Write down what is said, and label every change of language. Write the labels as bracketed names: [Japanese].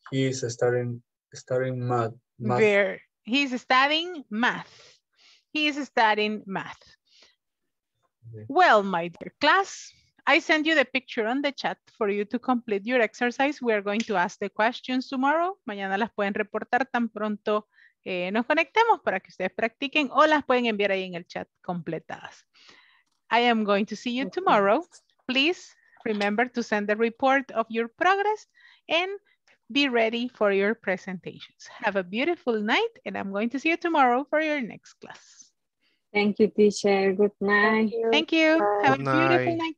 [English] He is studying math. He's studying math. He is studying math. Well, my dear class, I send you the picture on the chat for you to complete your exercise. We are going to ask the questions tomorrow. [Spanish] Mañana las pueden reportar tan pronto nos conectemos para que ustedes practiquen o las pueden enviar ahí en el chat completadas. [English] I am going to see you tomorrow. Please remember to send the report of your progress and be ready for your presentations. Have a beautiful night and I'm going to see you tomorrow for your next class. Thank you, teacher. Good night. Thank you. Have a beautiful night.